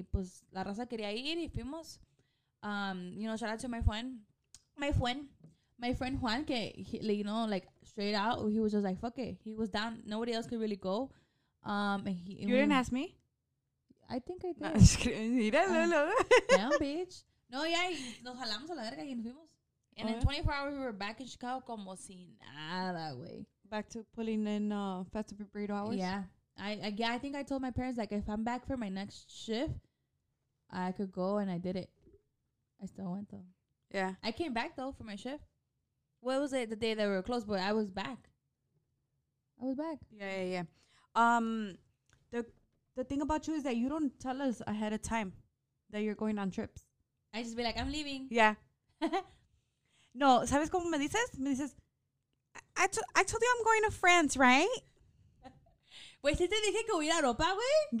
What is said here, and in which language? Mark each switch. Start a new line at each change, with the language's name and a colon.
Spanish: Y pues la raza quería ir y fuimos.
English: You know, shout out to my friend Juan, que he, you know, like straight out, he was just like, fuck it. He was down. Nobody else could really go. Didn't ask me? I think I did. Damn, bitch. No, yeah,
Spanish: nos jalamos a la verga y nos fuimos.
English: And in 24 hours, we were back in Chicago
Spanish: como si nada, güey.
English: Back to pulling in festive burrito hours? Yeah, I think I told my parents, like, if I'm back for my next shift, I could go, and I did it. I still went, though. Yeah. I came back, though, for my shift. What was it the day that we were closed? But I was back. I was back. Yeah. The thing about you is that you don't tell us ahead of time that you're going on trips. I just be like, I'm leaving.
Spanish: Yeah. No, ¿sabes cómo me dices? Me dices,
English: I told you I'm going to France, right?
Spanish: Wait, ¿sí te dije que voy a Europa, güey?